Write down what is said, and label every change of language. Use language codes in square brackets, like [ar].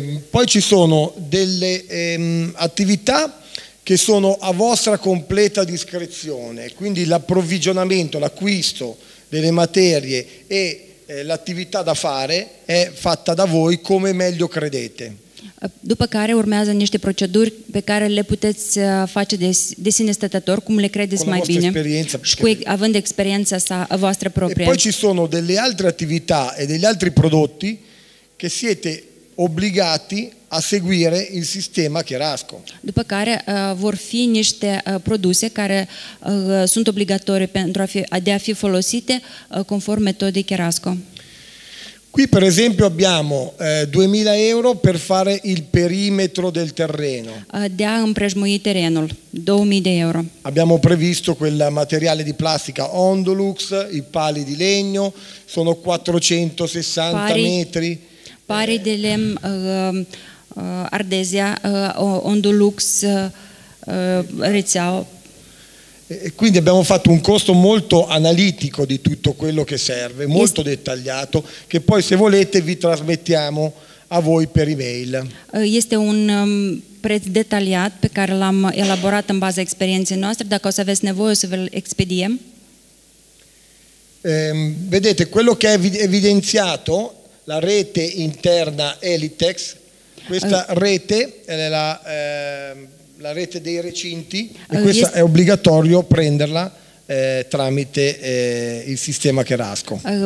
[it] Poi ci sono delle attività che sono a vostra completa discrezione, quindi l'approvvigionamento, l'acquisto delle materie e l'attività da fare è fatta da voi come meglio credete. [ro] După care urmează niște proceduri pe care le puteți face de sine stătător, cum le credeți mai bine, având experiența sa voastră proprie. [it] E poi ci sono delle altre attività e degli altri prodotti che siete obbligati a seguire il sistema Chiarasco. [ro] După care vor fi niște produse care sunt obligatorii pentru a fi folosite conform metodei Chiarasco. [it] Qui per esempio abbiamo 2.000 euro per fare il perimetro del terreno. [ro] De a împrejmui terenul, 2.000 de euro. [it] Abbiamo previsto quel materiale di plastica Ondulux, i pali di legno, sono 460 metri. [ro] Pari de lemn, Ardezia, Ondulux, rețeau. [it] E quindi abbiamo fatto un costo molto analitico di tutto quello che serve, molto dettagliato, che poi se volete vi trasmettiamo a voi per email. [ro] Este un preț detaliat pe care l-am elaborat în baza experienței noastre, dacă o să aveți nevoie o să vă-l expediem. [it] Vedete, quello che è evidenziato, la rete interna Elitex, questa rete è la la rete dei recinti e questa è obbligatorio prenderla tramite il sistema Cherasco.